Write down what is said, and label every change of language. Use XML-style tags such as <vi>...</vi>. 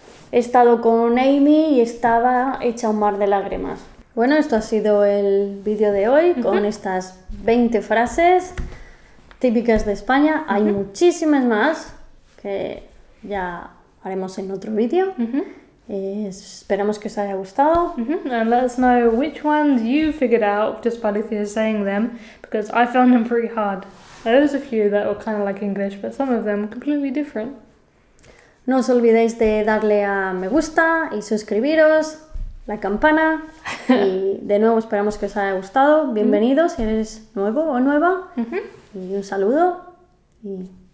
<es>He estado con Amy y estaba hecha un mar de lágrimas. Bueno, esto ha sido el vídeo de hoy con estas 20 frases típicas de España. Hay muchísimas más que ya haremos en otro vídeo. Esperamos que os haya gustado.</es> <en>And let us know which ones you figured out just by Lithia saying them, because I found them pretty hard. There was a few that were kind of like English, but some of them completely different.</en> <es>No os olvidéis de darle a me gusta y suscribiros, la campana, y de nuevo esperamos que os haya gustado. Bienvenidos si eres nuevo o nueva. Y un saludo y</es>